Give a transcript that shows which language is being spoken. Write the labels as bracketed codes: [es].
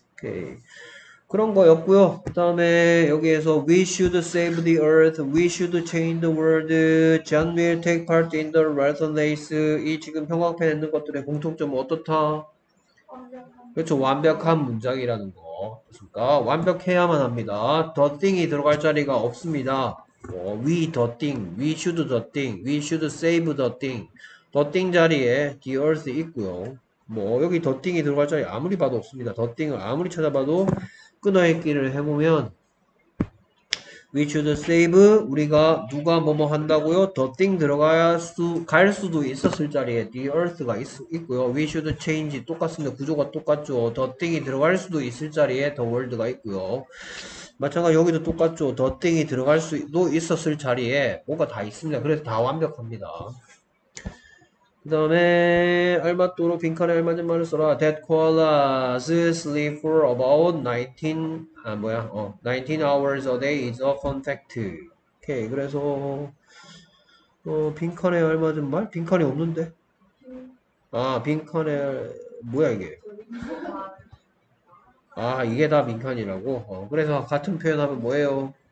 [ko] 오케이. 그런 거였고요. 그 다음에 여기에서 [en] We should save the earth. We should change the world. John will take part in the renaissance. [ko] 이 지금 평화판에 있는 것들의 공통점은 어떻다? 그렇죠. 완벽한 문장이라는 거. 그러니까 완벽해야만 합니다. The thing이 들어갈 자리가 없습니다. [en] We the thing, we should the thing, we should save the thing. [ko] The thing 자리에 the earth 있고요. 뭐 여기 the thing이 들어갈 자리 아무리 봐도 없습니다. The thing을 아무리 찾아봐도 끊어읽기를 해보면 [en] we should save [ko] 우리가 누가 뭐뭐 한다고요? The thing 들어가야 갈 수도 있었을 자리에 the earth가 있고요. [en] We should change [ko] 똑같습니다. 구조가 똑같죠. The thing이 들어갈 수도 있을 자리에 the world가 있고요. 마찬가지 여기도 똑같죠. The thing이 들어갈 수도 있었을 자리에 뭐가 다 있습니다. 그래서 다 완벽합니다. 그 다음에 알맞도록 빈칸에 알맞은 말을 써라. [en] That koalas sleep for about 19 hours a day is a fun fact. [ko] 오케이. 그래서 빈칸에 알맞은 말? 빈칸이 없는데? 아 빈칸에 뭐야 이게? 아 이게 다 민칸이라고? 그래서 같은 표현하면 뭐예요?